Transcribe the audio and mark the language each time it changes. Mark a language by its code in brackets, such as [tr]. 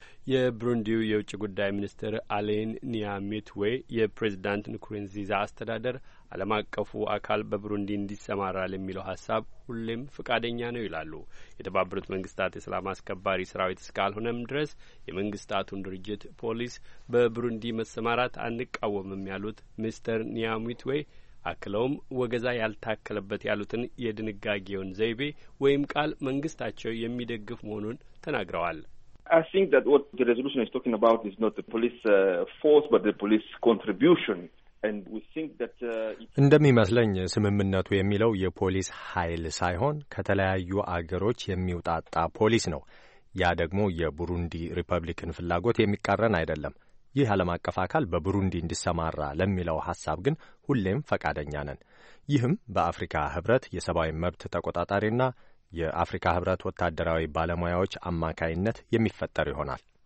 [am] የብሩንዲው የውጭ ጉዳይ ሚኒስትር አሌን ኒያሚትዌ የፕሬዝዳንት ንኩሩንዚዛ አስተዳደር ዓለም አቀፉ አካል በብሩንዲ እንዲሰማራ ለሚለው ሐሳብ ሁሌም ፈቃደኛ ነው ይላሉ። የተባበሩት መንግስታት የሰላም አስከባሪ ሰራዊት እስካልሆነም ድረስ የመንግስታቱን ድርጅት ፖሊስ በብሩንዲ መሰማራት አንቃወምም ያሉት ሚስተር ኒያሚትዌ አክለውም ወገዛ ያልታከለበት ያሉትን የድንጋጌውን ዘይቤ ወይም ቃል መንግስታቸው የሚደግፍ መሆኑን ተናግረዋል። [en] I think that what the resolution is talking about is not the police force but the police contribution and we think that [am] እንደሚመስለኝ ስምምነቱ የሚለው የፖሊስ ኃይል ሳይሆን ከተለያዩ አገሮች የሚውጣጣ ፖሊስ ነው። ያ ደግሞ የቡሩንዲ ሪፐብሊክን ፍላጎት የሚቃረን አይደለም። ይህ ዓለም አቀፍ አካል በቡሩንዲ እንዲሰማራ ለሚለው ሐሳብ ግን ሁሌም ፈቃደኛ ነን። ይህም በአፍሪካ ህብረት የሰብአዊ መብት ተቆጣጣሪና የአፍሪካ ህብረት ወታደራዊ ባለሙያዎች አማካይነት የሚፈጠር ይሆናል።